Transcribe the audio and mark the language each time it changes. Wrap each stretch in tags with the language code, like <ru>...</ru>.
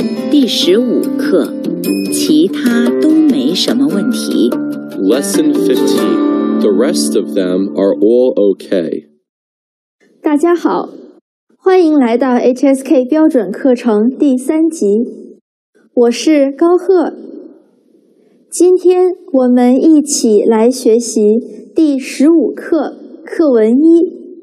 <zh>第十五课，其他都没什么问题。</zh> <en>Lesson 15, the rest of them are all okay.</en> <zh>大家好，欢迎来到 HSK 标准课程第三集。我是高贺。今天我们一起来学习第十五课课文一。</zh>